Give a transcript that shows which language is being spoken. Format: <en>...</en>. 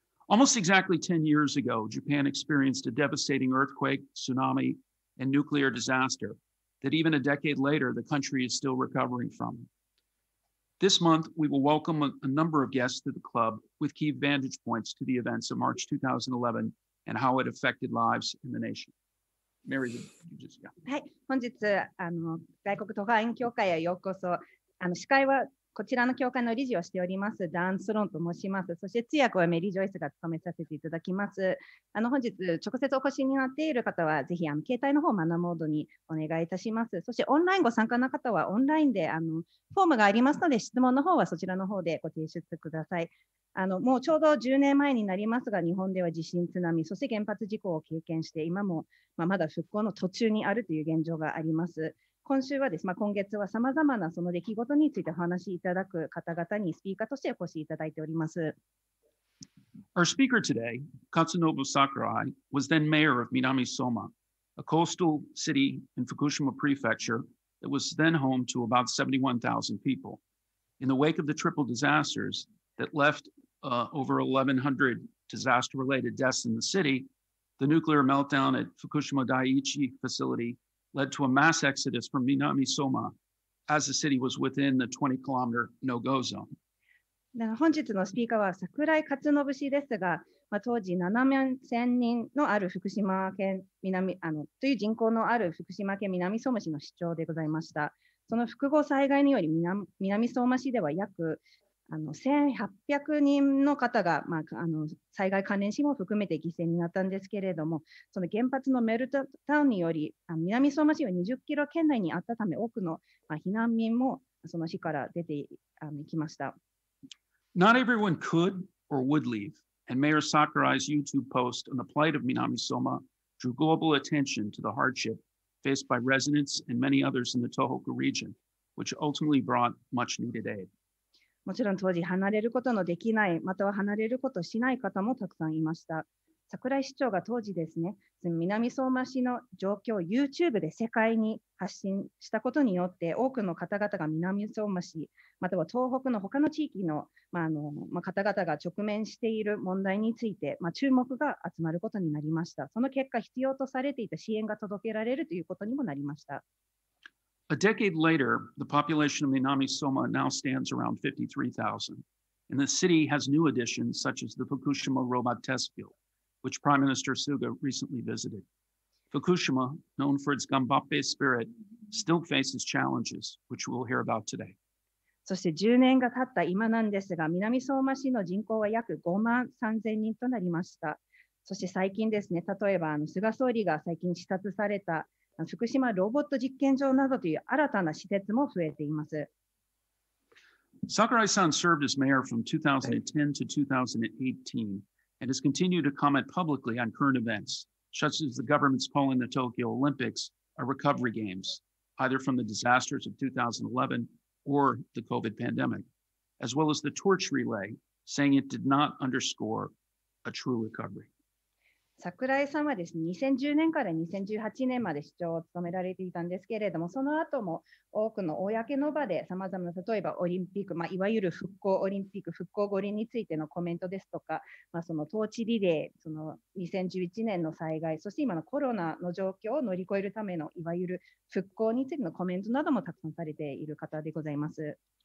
<en>Almost exactly 10 years ago, Japan experienced a devastating earthquake, tsunami, and nuclear disaster that even a decade later, the country is still recovering from. This month, we will welcome a number of guests to the club with key vantage points to the events of March 2011 and how it affected lives in the nation. Mary, you just go.</en> <ja>はい、本日、外国特派員協会へようこそ。司会はこちらの協会の理事をしております、ダン・スローンと申します。そして通訳はメリー・ジョイスが務めさせていただきます。本日、直接お越しになっている方は、ぜひ携帯の方をマナーモードにお願いいたします。そしてオンラインご参加の方は、オンラインでフォームがありますので、質問の方はそちらの方でご提出ください。もうちょうど10年前になりますが、日本では地震、津波、そして原発事故を経験して、今も、まだ復興の途中にあるという現状があります。今週はですね、今月はさまざまなその出来事についてお話しいただく方々にスピーカーとしてお越しいただいております。</ja> <en>Our speaker today, Katsunobu Sakurai, was then mayor of Minamisoma, a coastal city in Fukushima Prefecture that was then home to about 71,000 people. In the wake of the triple disasters that left over 1,100 disaster-related deaths in the city, the nuclear meltdown at Fukushima Daiichi facility led to a mass exodus from Minamisoma as the city was within the 20 kilometer no-go zone.</en> <ja>本日のスピーカーは桜井勝信氏ですが、当時7万1000人のある福島県南、という人口のある福島県南相馬市の市長でございました。その複合災害により 南相馬市では約1800人の方が、災害関連死も含めて犠牲になったんですけれども、その原発のメルトダウンにより、南相馬市は20キロ圏内にあったため、多くの、避難民もその市から出て行きました。</ja> <en>Not everyone could or would leave, and Mayor Sakurai's YouTube post on the plight of 南相馬 drew global attention to the hardship faced by residents and many others in the Tohoku region, which ultimately brought much needed aid.</en> <ja>もちろん当時離れることのできない、または離れることしない方もたくさんいました。桜井市長が当時ですね、南相馬市の状況を YouTube で世界に発信したことによって、多くの方々が南相馬市、または東北の他の地域の、方々が直面している問題について、注目が集まることになりました。その結果、必要とされていた支援が届けられるということにもなりました。</ja> <en>A decade later, the population of Minamisoma now stands around 53,000, and the city has new additions such as the Fukushima Robot Test Field, which Prime Minister Suga recently visited. Fukushima, known for its Gambappe spirit, still faces challenges, which we'll hear about today.</en> <ja>そして10年が経った今なんですが、南相馬市の人口は約5万3000人となりました。そして最近ですね、例えば菅総理が最近視察された福島ロボット実験場などという新たな施設も増えています。</ja> <en>Sakurai-san served as mayor from 2010 to 2018 and has continued to comment publicly on current events, such as the government's calling the Tokyo Olympics a recovery games, either from the disasters of 2011 or the COVID pandemic, as well as the torch relay, saying it did not underscore a true recovery.</en> <ja>桜井さんはですね、2010年から2018年まで市長を務められていたんですけれども、その後も多くの公の場で様々な、例えばオリンピック、いわゆる復興オリンピック、復興五輪についてのコメントですとか、そのトーチリレー、その2011年の災害、そして今のコロナの状況を乗り越えるためのいわゆる復興についてのコメントなどもたくさんされている方でございます。</ja>